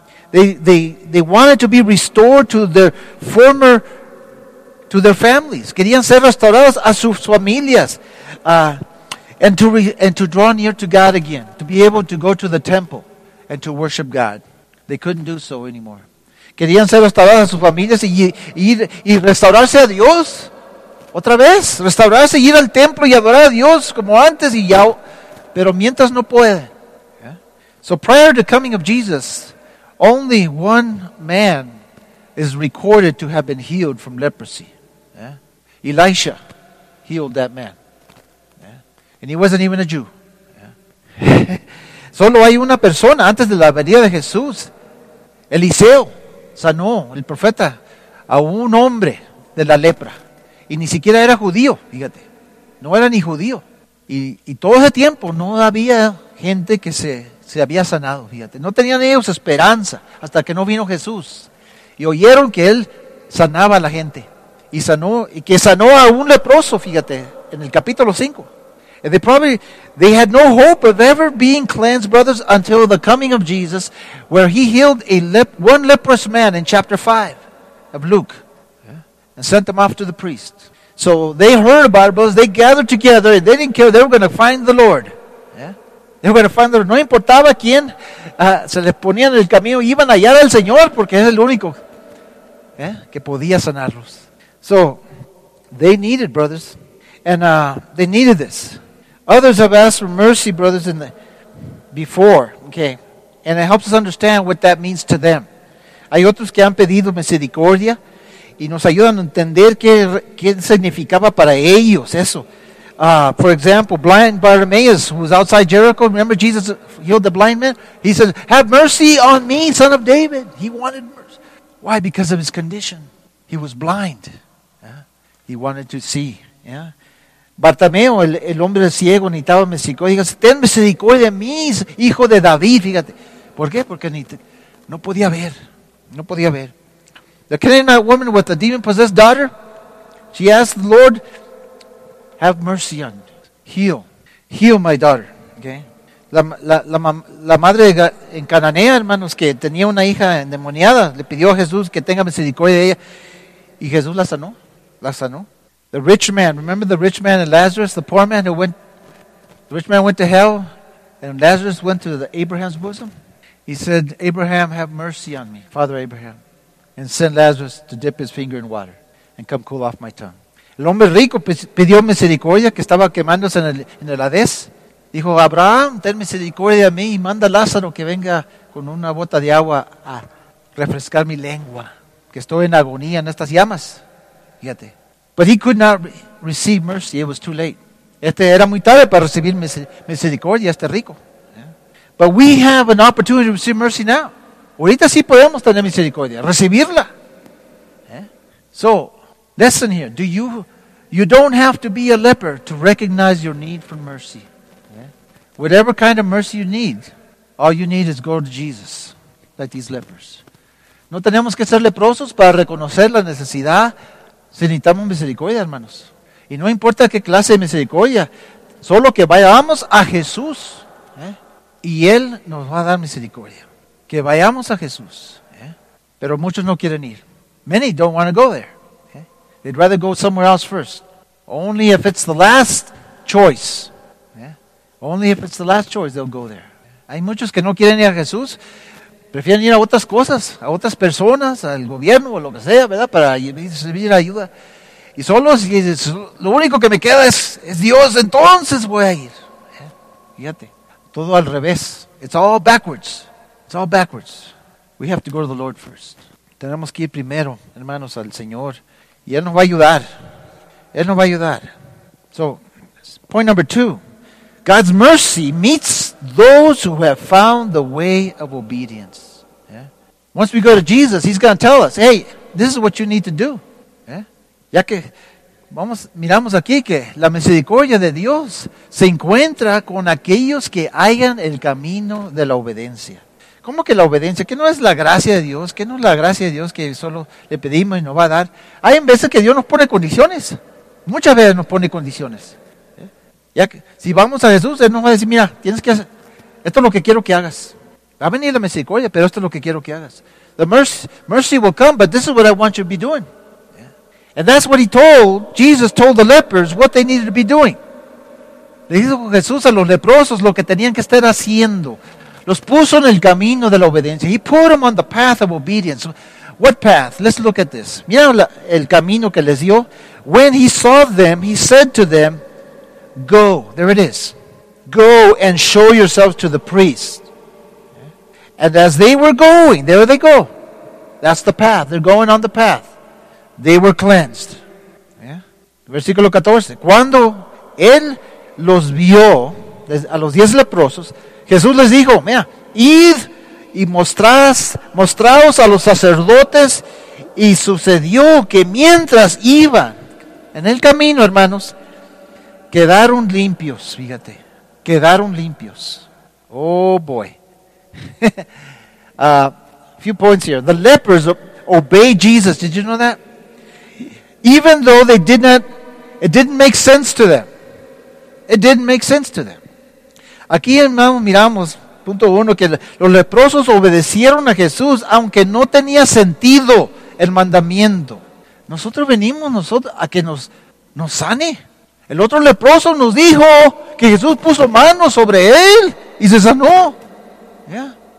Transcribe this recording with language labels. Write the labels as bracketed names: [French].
[English] They wanted to be restored to their former, to their families. [Spanish] Querían ser restaurados a sus familias. [English] And to draw near to God again. To be able to go to the temple and to worship God. They couldn't do so anymore. [Spanish] Querían ser restaurados a sus familias y restaurarse a Dios. Otra vez, restaurarse, ir al templo y adorar a Dios como antes y ya, pero mientras no puede. [English] Yeah. So prior to the coming of Jesus, only one man is recorded to have been healed from leprosy. Yeah. Elisha healed that man. Yeah. And he wasn't even a Jew. Yeah. [Spanish] Solo hay una persona antes de la venida de Jesús. Eliseo sanó, el profeta, a un hombre de la lepra. Y ni siquiera era judío, fíjate. No era ni judío. Y todo ese tiempo no había gente que se había sanado, fíjate. No tenían ellos esperanza hasta que no vino Jesús. Y oyeron que él sanaba a la gente. Y sanó, y que sanó a un leproso, fíjate, en el capítulo 5. [English] And they had no hope of ever being cleansed, brothers, until the coming of Jesus, where he healed one leprous man in chapter 5 of Luke. And sent them off to the priest. So they heard about it, brothers. They gathered together and they didn't care. They were going to find the Lord. Yeah. They were going to find the Lord. [Spanish] No importaba quién se les ponía en el camino. Iban a hallar al Señor porque es el único que podía sanarlos. [English] So they needed, brothers. And they needed this. Others have asked for mercy, brothers, before. Okay. And it helps us understand what that means to them. [Spanish] Hay otros que han pedido misericordia. Y nos ayudan a entender qué significaba para ellos eso. [English] For example, blind Bartimaeus, who was outside Jericho. Remember Jesus healed the blind man? He said, have mercy on me, son of David. He wanted mercy. Why? Because of his condition. He was blind. Yeah? He wanted to see. Yeah? [Spanish] Bartimeo, el hombre ciego, necesitaba misericordia. Dice, ten misericordia de mí, hijo de David. Fíjate. ¿Por qué? Porque no podía ver. No podía ver. [English] The Canaanite woman with a demon-possessed daughter, she asked the Lord, have mercy on me. Heal my daughter. Okay. [Spanish] La madre en Cananea, hermanos, que tenía una hija endemoniada, le pidió a Jesús que tenga misericordia de ella. Y Jesús la sanó. La sanó. [English] The rich man. Remember the rich man and Lazarus? The poor man who went. The rich man went to hell. And Lazarus went to the Abraham's bosom. He said, Abraham, have mercy on me. Father Abraham. And send Lazarus to dip his finger in water. And come cool off my tongue. [Spanish] El hombre rico pidió misericordia que estaba quemándose en el Hades. Dijo, Abraham, ten misericordia de mí y manda a Lázaro que venga con una bota de agua a refrescar mi lengua, que estoy en agonía en estas llamas. Fíjate. [English] But he could not receive mercy. It was too late. [Spanish] Este era muy tarde para recibir misericordia, este rico. [English] But we have an opportunity to receive mercy now. [Spanish] Ahorita sí podemos tener misericordia, recibirla. [English] So, listen here. You don't have to be a leper to recognize your need for mercy. Whatever kind of mercy you need, all you need is go to Jesus, like these lepers. [Spanish] No tenemos que ser leprosos para reconocer la necesidad. Si necesitamos misericordia, hermanos. Y no importa qué clase de misericordia, solo que vayamos a Jesús, y Él nos va a dar misericordia. Que vayamos a Jesús. Pero muchos no quieren ir. [English] Many don't want to go there. They'd rather go somewhere else first. Only if it's the last choice. Only if it's the last choice, they'll go there. [Spanish] Hay muchos que no quieren ir a Jesús. Prefieren ir a otras cosas, a otras personas, al gobierno o lo que sea, ¿verdad? Para recibir ayuda. Y solo si es, lo único que me queda es Dios, entonces voy a ir. Fíjate, todo al revés. [English] It's all backwards. It's all backwards. We have to go to the Lord first. [Spanish] Tenemos que ir primero, hermanos, al Señor. Y Él nos va a ayudar. Él nos va a ayudar. [English] So, point number two. God's mercy meets those who have found the way of obedience. Yeah? Once we go to Jesus, He's going to tell us, hey, this is what you need to do. Yeah? [Spanish] Ya que vamos, miramos aquí que la misericordia de Dios se encuentra con aquellos que hallan el camino de la obediencia. ¿Cómo que la obediencia? ¿Qué no es la gracia de Dios? ¿Qué no es la gracia de Dios que solo le pedimos y nos va a dar? Hay veces que Dios nos pone condiciones. Muchas veces nos pone condiciones. Ya que, si vamos a Jesús, Él nos va a decir, mira, tienes que hacer, esto es lo que quiero que hagas. Va a venir la misericordia, pero esto es lo que quiero que hagas. [English] The mercy will come, but this is what I want you to be doing. And that's what Jesus told the lepers what they needed to be doing. [Spanish] Le dijo Jesús a los leprosos lo que tenían que estar haciendo. Los puso en el camino de la obediencia. [English] He put them on the path of obedience. What path? Let's look at this. [Spanish] Mira el camino que les dio. [English] When he saw them, he said to them, go, there it is. Go and show yourselves to the priest. And as they were going, there they go. That's the path. They're going on the path. They were cleansed. Yeah. [Spanish] Versículo 14. Cuando él los vio, a los 10 leprosos, Jesús les dijo, mira, id y mostraos a los sacerdotes. Y sucedió que mientras iban en el camino, hermanos, quedaron limpios, fíjate. Quedaron limpios. [English] Oh, boy. few points here. The lepers obeyed Jesus. Did you know that? Even though they did not, it didn't make sense to them. It didn't make sense to them. [Spanish] Aquí, hermano, miramos, punto uno, que los leprosos obedecieron a Jesús, aunque no tenía sentido el mandamiento. Nosotros venimos a que nos sane. El otro leproso nos dijo que Jesús puso manos sobre él y se sanó. Yeah.